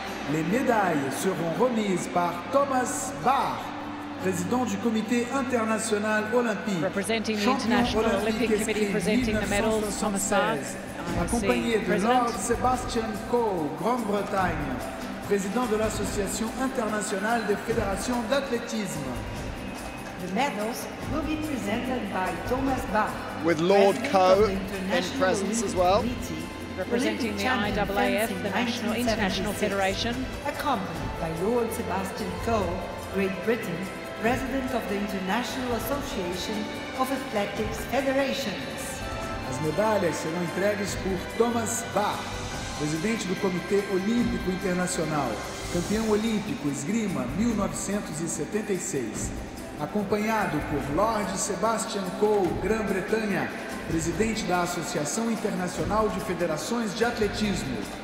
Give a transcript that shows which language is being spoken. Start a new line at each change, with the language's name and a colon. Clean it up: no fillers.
French: Les médailles seront remises par Thomas Bach, président du Comité international olympique.
English: Representing the International Olympic Committee presenting the medals, Thomas Bach.
French: Accompagné de Lord Sebastian Coe, Grande-Bretagne, président de l'Association internationale des fédérations d'athlétisme.
English: The medals will be presented by Thomas Bach. With Lord Coe in presence as well. Representing the IAAF, the National International Federation. Accompanied by Lord Sebastian Coe, Great Britain, President of the International Association of Athletics Federations.
Portuguese: As medalhas serão entregues por Thomas Bach, presidente do Comitê Olímpico Internacional, campeão olímpico esgrima 1976, acompanhado por Lord Sebastian Coe, Grã-Bretanha, presidente da Associação Internacional de Federações de Atletismo.